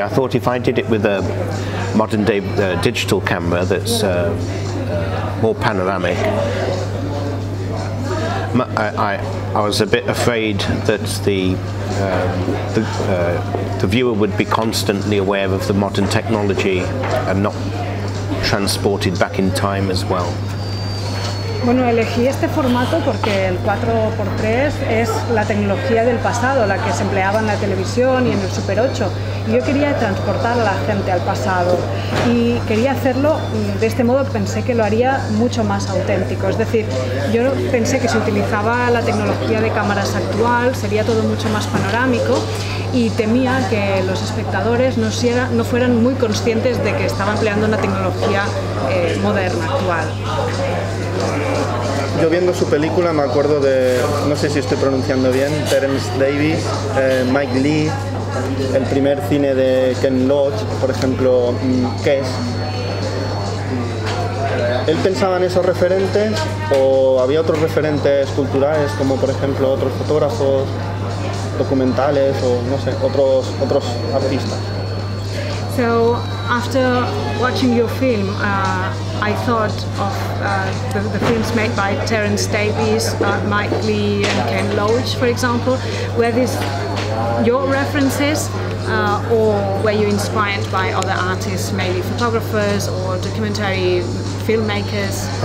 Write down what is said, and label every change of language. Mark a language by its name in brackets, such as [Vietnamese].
[English] I thought if I did it with a modern day digital camera that's more panoramic, I was a bit afraid that the viewer would be constantly aware of the modern technology and not transported back in time as well. [Spanish] Bueno, elegí este formato porque el 4:3 es la tecnología del pasado, la que se empleaba en la televisión y en el Super 8. Y yo quería transportar a la gente al pasado y quería hacerlo de este modo. Pensé que lo haría mucho más auténtico. Es decir, yo pensé que si utilizaba la tecnología de cámaras actual sería todo mucho más panorámico y temía que los espectadores no fueran muy conscientes de que estaba empleando una tecnología moderna, actual. Yo viendo su película me acuerdo de, no sé si estoy pronunciando bien, Terence Davis, Mike Leigh, el primer cine de Ken Loach, por ejemplo, Kes. ¿Él pensaba en esos referentes o había otros referentes culturales como por ejemplo otros fotógrafos, documentales o no sé, otros artistas? [English] So after watching your film, I thought of the films made by Terence Davies, Mike Leigh and Ken Loach, for example. Were these your references or were you inspired by other artists, maybe photographers or documentary filmmakers?